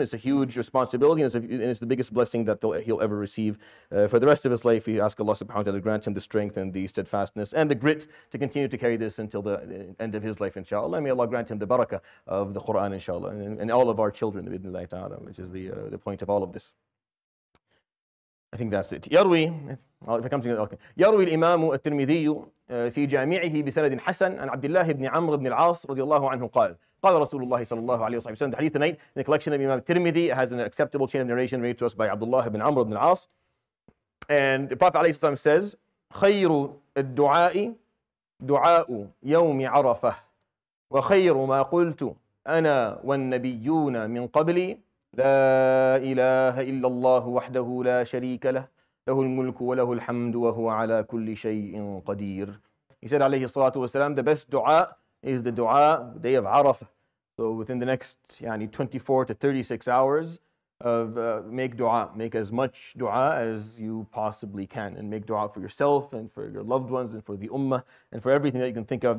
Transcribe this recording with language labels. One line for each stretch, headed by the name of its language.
English: It's a huge responsibility, and it's the biggest blessing that he'll ever receive for the rest of his life. We ask Allah subhanahu wa ta'ala to grant him the strength and the steadfastness and the grit to continue to carry this until the end of his life, inshallah. May Allah grant him the barakah of the Qur'an, inshallah, and all of our children, bi'idhnillahi ta'ala, which is the point of all of this. I think that's it. يروي, if I come to, okay.
Arabic: يروي الإمام الترمذي في جامعه بسند حسن عن عبد الله بن عمرو بن العاص رضي الله عنه قال قال رسول الله صلى الله عليه وسلم.
English: The hadith tonight in the collection of Imam Tirmidhi has an acceptable chain of narration read to us by Abdullah ibn Amr ibn al-As. And the Prophet عليه السلام says,
Arabic: خير الدعاء دعاء يوم عرفة وخير ما قلت أنا والنبيون من قبلي لا إله إلا الله وحده لا شريك له له الملك وله الحمد وهو على كل شيء قدير.
English: He said
Arabic: عليه الصلاة والسلام,
English: the best دعاء is the دعاء day of Arafah. So within the next 24 to 36 hours of make دعاء, make as much دعاء as you possibly can, and make دعاء for yourself and for your loved ones and for the ummah and for everything that you can think of.